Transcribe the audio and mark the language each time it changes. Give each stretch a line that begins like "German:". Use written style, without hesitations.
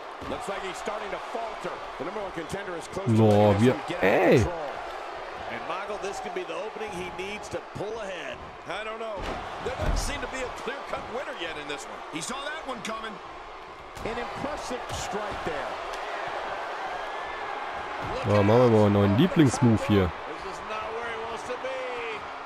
English: Looks like he's starting to falter. The number one contender is close.
German: Boah, wir, ey.
English: And Michael, this could be the opening he needs to pull ahead. I don't know. There doesn't seem to be a clear-cut winner yet in this one. He saw that one coming. An impressive strike there.
German: Oh, machen wir mal einen neuen Lieblingsmove hier.
English: This is not where he wants to be.